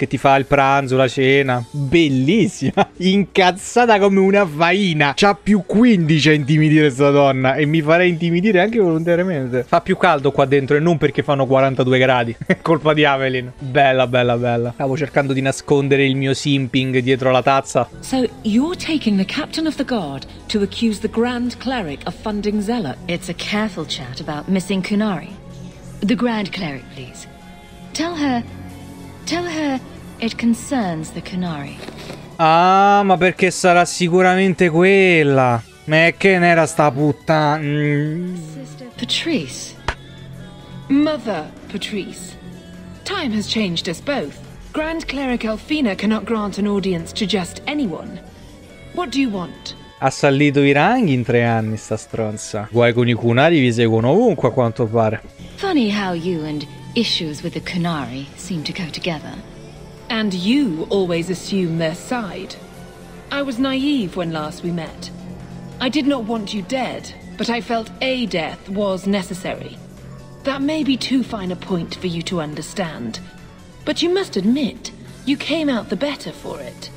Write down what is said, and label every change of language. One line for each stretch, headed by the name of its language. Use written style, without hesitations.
Italian: Che ti fa il pranzo, la cena? Bellissima. Incazzata come una faina. C'ha più 15 a intimidire sta donna. E mi farei intimidire anche volontariamente. Fa più caldo qua dentro e non perché fanno 42 gradi. Colpa di Avelin. Bella, bella, bella. Stavo cercando di nascondere il mio simping dietro la tazza.
English: So, you're taking the captain of the guard to accuse the Grand Cleric of funding Zella. It's a careful chat about missing Kunari. The Grand Cleric, please. Tell her it concerns the Kunari.
Italian: Ah, ma perché sarà sicuramente quella. Ma che n'era sta puttana. Patrice. Mother Patrice.
English: Time has changed us both. Grand Cleric Elfina cannot grant an audience to just anyone. What do you want?
Italian: Ha salito i ranghi in 3 anni, sta stronza. Guai con i Kunari, vi seguono ovunque, a quanto pare.
English: Funny how you and issues with the Kunari seem to go together. And you always assume their side. I was naive when last we met. I did not want you dead, but I felt a death was necessary. That may be too fine a point for you to understand. But you must admit, you came out the better for it.